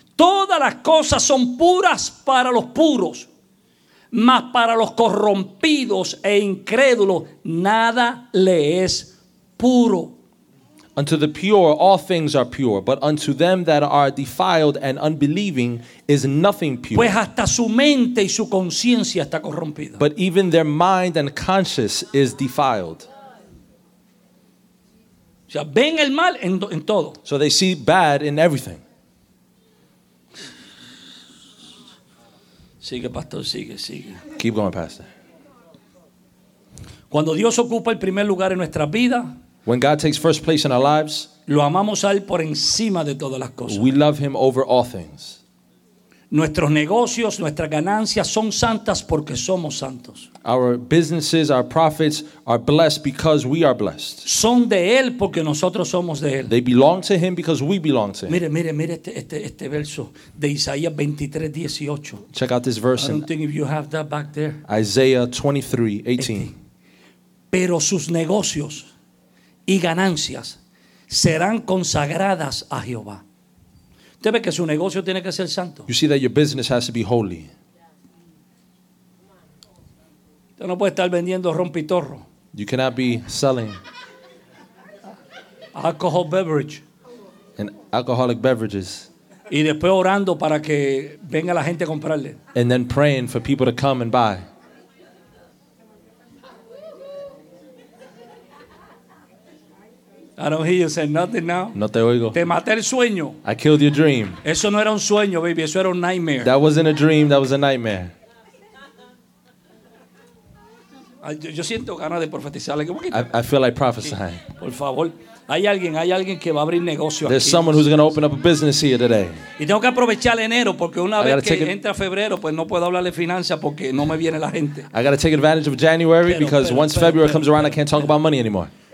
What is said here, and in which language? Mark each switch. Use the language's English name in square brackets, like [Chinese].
[Spanish] Todas las cosas son puras para los puros. Mas para los corrompidos e incrédulos nada le es puro. [English] Unto the pure all things are pure, but unto them that are defiled and unbelieving is nothing pure. [Spanish] Pues hasta su mente y su conciencia está corrompida. [English] But even their mind and conscience is defiled. [Spanish] O sea, ven el mal en todo. [English] So they see bad in everything. [Spanish] Sigue, pastor, sigue. [English] Keep going, pastor. [Spanish] Cuando Dios ocupa el primer lugar en nuestra vida, [English] when God takes first place in our lives, [Spanish] lo amamos a él por encima de todas las cosas. [English] We love him over all things. [Spanish] Nuestros negocios, nuestras ganancias son santas porque somos santos. [English] Our businesses, our profits are blessed because we are blessed. [Spanish] Son de él porque nosotros somos de él. [English] They belong to him because we belong to him. [Spanish] Mire este verso de Isaías 23:18. [English] Check out this verse. I don't think if you have that back there. Isaiah 23:18. [Spanish] Pero sus negocios y ganancias serán consagradas a Jehová. Usted ve que su negocio tiene que ser santo. [English] You see that your business has to be holy. [Spanish] Usted no puede estar vendiendo rompitorro. [English] You cannot be selling alcohol beverage. And alcoholic beverages. [Spanish] Y después orando para que venga la gente a comprarle. [English] And then praying for people to come and buy. I don't hear you saying nothing now. [Spanish] No te oigo. Te maté el sueño. [English] I killed your dream. [Spanish] Eso no era un sueño, baby. Eso era un nightmare. [English] That wasn't a dream. That was a nightmare. [Spanish] Yo siento ganas de profetizarle. [English] I feel like prophesying. [Spanish] Por favor. Hay alguien que va a abrir negocio aquí. [English] There's someone who's going to open up a business here today. [Spanish] Y tengo que aprovechar enero porque una vez que entra febrero, pues no puedo hablarle finanzas porque no me viene la gente. [English] I got to take advantage of January because once February comes around, I can't talk about money anymore.